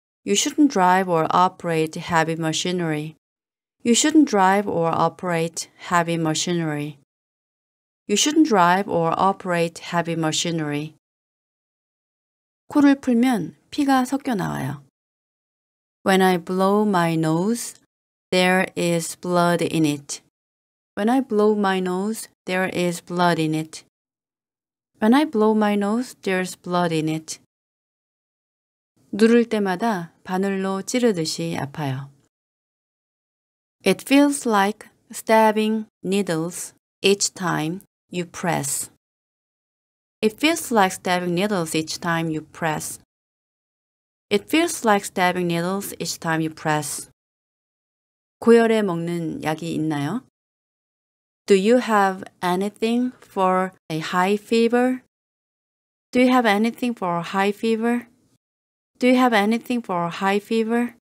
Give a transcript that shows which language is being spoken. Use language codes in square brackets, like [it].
[en] You shouldn't drive or operate heavy machinery. You shouldn't drive or operate heavy machinery. You shouldn't drive or operate heavy machinery. [ko] 코를 풀면 피가 섞여 나와요. [en] When I blow my nose, there is blood in it. When I blow my nose, there is blood in it. When I blow my nose, there's blood in it. [ko] 누를 때마다 바늘로 찌르듯이 아파요. [en] It feels like stabbing needles each time you press. It feels like stabbing needles each time you press. It feels like stabbing needles each time you press. [ko] 고열에 먹는 약이 있나요? [en] Do you have anything for a high fever? Do you have anything for a high fever? Do you have anything for a high fever?